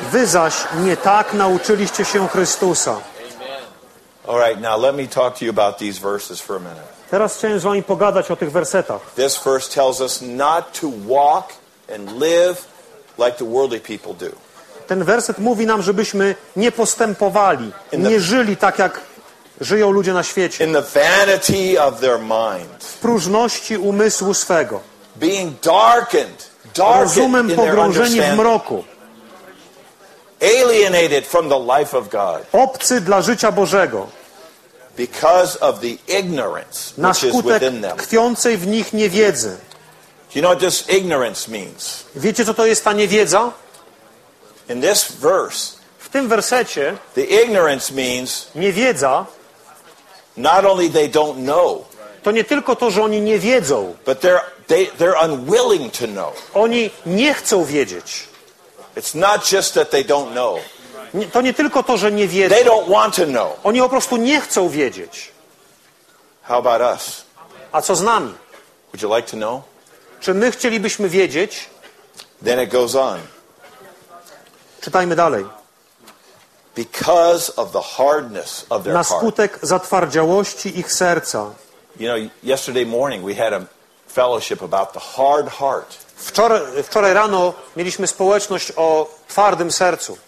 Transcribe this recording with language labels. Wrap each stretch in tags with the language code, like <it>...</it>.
<pl>wy zaś nie tak nauczyliście się Chrystusa.</pl> <en>All right, now let me talk to you about these verses for a minute.</en> <pl>Teraz chciałem z wami pogadać o tych wersetach.</pl> <en>This verse tells us not to walk and live like the worldly people do.</en> <pl>Ten werset mówi nam, żebyśmy nie postępowali, nie żyli tak, jak żyją ludzie na świecie.</pl> <en>In the vanity of their mind.</en> <pl>W próżności umysłu swego.</pl> <en>Being darkened,</en> <pl>rozumem pogrążeni w mroku.</pl> <en>Alienated from the life of God.</en> <pl>Obcy dla życia Bożego.</pl> <en>Because of the ignorance which is within them.</en> <pl>Tkwiącej w nich niewiedzy.</pl> <en>Do you know what this ignorance means?</en> <pl>Wiecie, co to jest ta niewiedza?</pl> <en>In this verse,</en> <pl>w tym wersecie,</pl> <en>the ignorance means</en> <pl>niewiedza,</pl> <en>not only they don't know,</en> <pl>to nie tylko to, że oni nie wiedzą,</pl> <en>but they're unwilling to know.</en> <pl>Oni nie chcą wiedzieć.</pl> <en>It's not just that they don't know.</en> <pl>To nie tylko to, że nie wiedzą.</pl> <en>They don't want to know.</en> <pl>Oni po prostu nie chcą wiedzieć.</pl> <en>How about us?</en> <pl>A co z nami?</pl> <en>Would you like to know?</en> <pl>Czy my chcielibyśmy wiedzieć?</pl> <en>Then it goes on.</en> <pl>Czytajmy dalej.</pl> <en>Because of the hardness of their heart.</en> <pl>Na skutek zatwardziałości ich serca.</pl> <en>You know, yesterday morning we had a fellowship about the hard heart.</en> <pl>Wczoraj rano mieliśmy społeczność o twardym sercu.</pl>